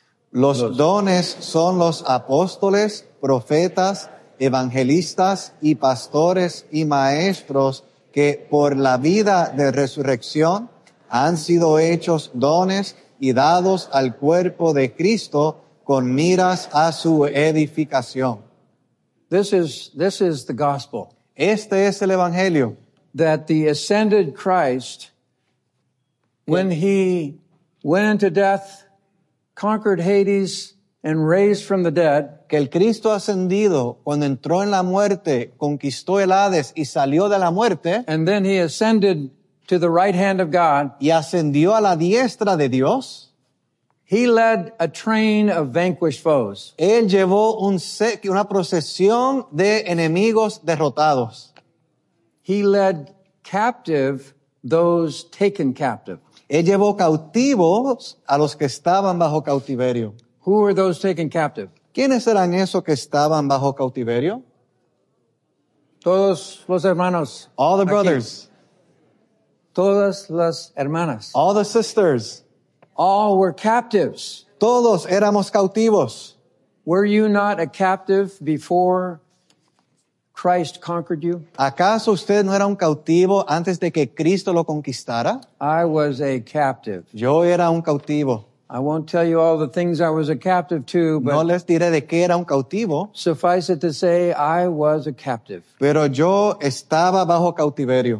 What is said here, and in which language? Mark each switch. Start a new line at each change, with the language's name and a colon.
Spanish: Los dones son los apóstoles, profetas, evangelistas y pastores y maestros que por la vida de resurrección han sido hechos dones y dados al cuerpo de Cristo con miras a su edificación.
English: This is the gospel.
Spanish: Este es el evangelio.
English: That the ascended Christ, when he went into death, conquered Hades and raised from the dead,
Spanish: que el Cristo ascendido cuando entró en la muerte conquistó el Hades y salió de la muerte,
English: and then he ascended to the right hand of God,
Spanish: y ascendió a la diestra de Dios,
English: he led a train of vanquished foes.
Spanish: Él llevó una procesión de enemigos derrotados.
English: He led captive those taken captive.
Spanish: Él llevó cautivos a los que estaban bajo cautiverio.
English: Who were those taken captive?
Spanish: ¿Quiénes eran esos que estaban bajo cautiverio? Todos los hermanos.
English: All the brothers.
Spanish: Aquí. Todas las hermanas.
English: All the sisters. All were captives.
Spanish: Todos éramos cautivos.
English: Were you not a captive before Christ conquered you?
Spanish: ¿Acaso usted no era un cautivo antes de que Cristo lo conquistara?
English: I was a captive.
Spanish: Yo era un cautivo.
English: I won't tell you all the things I was a captive to, but
Spanish: no les diré de qué era un cautivo.
English: Suffice it to say, I was a captive.
Spanish: Pero yo estaba bajo cautiverio.